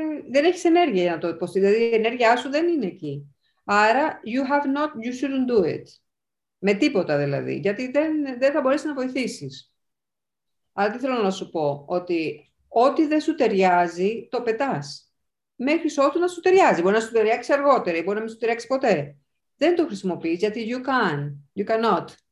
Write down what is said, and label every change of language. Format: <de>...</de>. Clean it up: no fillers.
<el>Δεν έχεις ενέργεια για να το υποστηρίξεις. Δηλαδή, η ενέργειά σου δεν είναι εκεί.</el> <en>Άρα, you shouldn't do it.</en> <el>Με τίποτα, δηλαδή. Γιατί δεν θα μπορέσεις να βοηθήσεις. Άρα, τι θέλω να σου πω, ότι... Ό,τι δεν σου ταιριάζει, το πετάς. Μέχρι ότου να σου ταιριάζει. Μπορεί να σου ταιριάξει αργότερα, μπορεί να μην σου ταιριάξει ποτέ. Δεν το χρησιμοποιείς, γιατί</el> <en>you can, you cannot.</en>